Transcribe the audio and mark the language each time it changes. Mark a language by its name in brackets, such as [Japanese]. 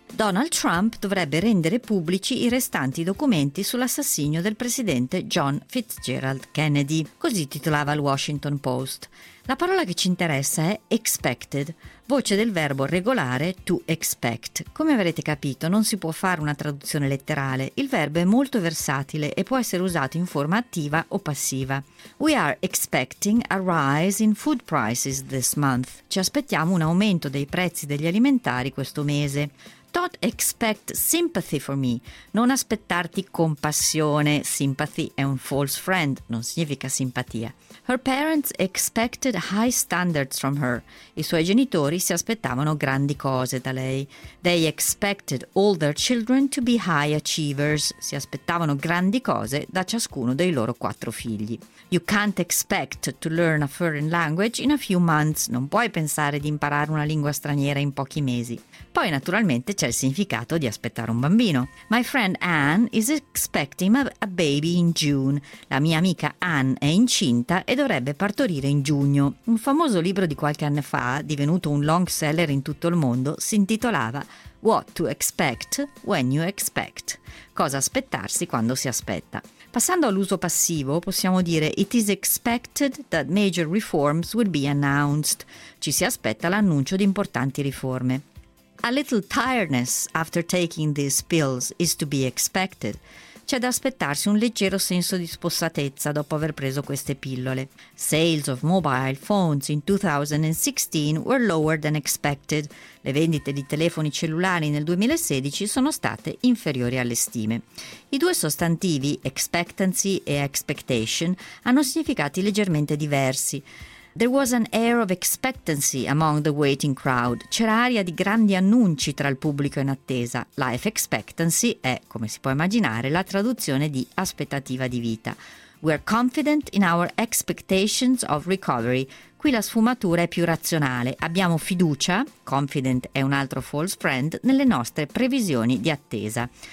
[Italian] Donald Trump dovrebbe rendere pubblici i restanti documenti sull'assassinio del presidente John Fitzgerald Kennedy, così titolava il Washington Post. La parola che ci interessa è expected, voce del verbo regolare to expect. Come avrete capito, non si può fare una traduzione letterale. Il verbo è molto versatile e può essere usato in forma attiva o passiva. [English] We are expecting a rise in food prices this month. [Italian] Ci aspettiamo un aumento dei prezzi degli alimentari questo mese. [English] Don't expect sympathy for me. [Italian] Non aspettarti compassione. Sympathy è un false friend, non significa simpatia. [English] Her parents expected high standards from her. [Italian] I suoi genitori si aspettavano grandi cose da lei. [English] They expected all their children to be high achievers. [Italian] Si aspettavano grandi cose da ciascuno dei loro quattro figli. [English] You can't expect to learn a foreign language in a few months. [Italian] Non puoi pensare di imparare una lingua straniera in pochi mesi. Poi, naturalmente, c'è il significato di aspettare un bambino. [English] My friend Anne is expecting a baby in June. [Italian] La mia amica Anne è incinta e dovrebbe partorire in giugno. Un famoso libro di qualche anno fa, divenuto un long seller in tutto il mondo, si intitolava [English] What to expect when you expect. [Italian] Cosa aspettarsi quando si aspetta. Passando all'uso passivo, possiamo dire [English] It is expected that major reforms will be announced. [Italian] Ci si aspetta l'annuncio di importanti riforme. [English] A little tiredness after taking these pills is to be expected. [Italian] C'è da aspettarsi un leggero senso di spossatezza dopo aver preso queste pillole. [English] Sales of mobile phones in 2016 were lower than expected. [Italian] Le vendite di telefoni cellulari nel 2016 sono state inferiori alle stime. I due sostantivi, expectancy e expectation, hanno significati leggermente diversi. [English] There was an air of expectancy among the waiting crowd. [Italian] C'era aria di grandi annunci tra il pubblico in attesa. Life expectancy è, come si può immaginare, la traduzione di aspettativa di vita. [English] We are confident in our expectations of recovery. [Italian] Qui la sfumatura è più razionale. Abbiamo fiducia, confident è un altro false friend, nelle nostre previsioni di attesa.